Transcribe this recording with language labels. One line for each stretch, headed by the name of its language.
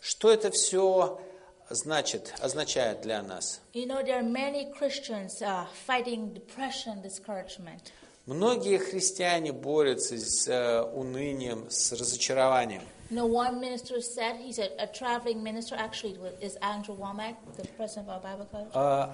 Russian: Что это все значит, означает для нас?
English: You know, there are many Christians fighting depression, discouragement.
Russian: Многие христиане борются с унынием, с разочарованием.
English: No, one minister said, he said, a traveling minister, actually, is Andrew Womack, the president of our Bible College.